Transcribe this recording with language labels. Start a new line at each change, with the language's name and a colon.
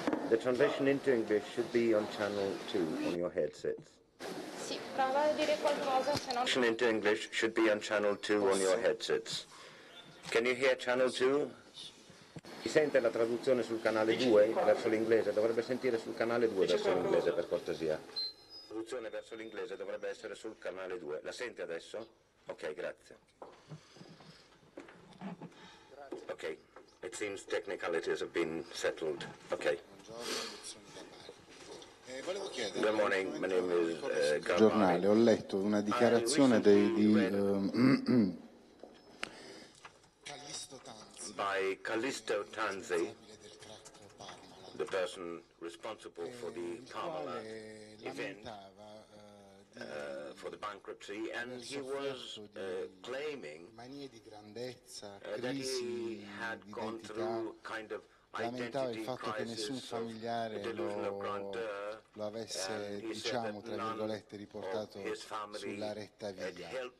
English: The translation into English should be on channel 2 on your headsets.
Italian: Sì, prova a dire qualcosa, se no...
English: The translation into English should be on channel 2 on your headsets. Can you hear channel 2?
Italian: Si sente la traduzione sul canale 2 verso l'inglese? Dovrebbe sentire sul canale 2 verso l'inglese, per cortesia. La traduzione verso l'inglese dovrebbe essere sul canale 2. La sente adesso? Ok, grazie.
English: Ok, it seems technicalities have been settled. Ok. Good morning, my name is
Italian: Giornale, ho letto una dichiarazione di
English: by Callisto Tanzi, the person responsible for the Parmalat event, for the bankruptcy, and he was claiming that he had gone through kind of
Italian: lamentava il fatto che nessun familiare lo avesse, diciamo, tra virgolette, riportato sulla retta via.